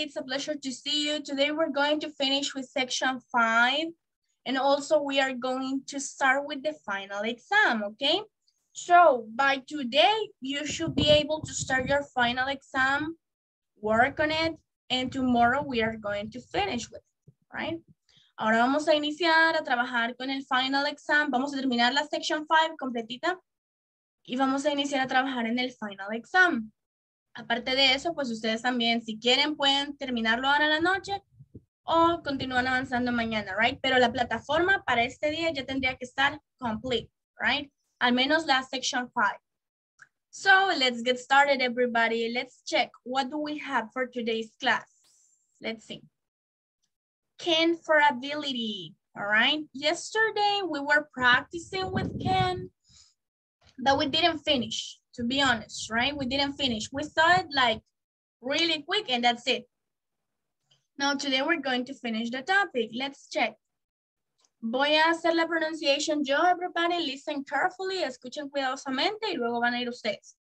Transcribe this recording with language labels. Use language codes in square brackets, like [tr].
[en] It's a pleasure to see you. Today, we're going to finish with section 5. And also, we are going to start with the final exam, okay? So, by today, you should be able to start your final exam, work on it. And tomorrow we are going to finish with it, right? [es] Ahora vamos a iniciar a trabajar con el final exam. Vamos a terminar la section 5 completita. Y vamos a iniciar a trabajar en el final exam. Aparte de eso, pues ustedes también, si quieren, pueden terminarlo ahora en la noche o continúan avanzando mañana, right? Pero la plataforma para este día ya tendría que estar complete, right? Al menos la section 5. [en] So let's get started, everybody. Let's check, what do we have for today's class? Let's see. Can for ability, all right? Yesterday we were practicing with can, but we didn't finish, to be honest, right? We didn't finish. We saw it like really quick and that's it. Now today we're going to finish the topic. Let's check. [es] Voy a hacer la pronunciation yo, everybody. [en] Listen carefully, [es] escuchen cuidadosamente y luego van a ir ustedes.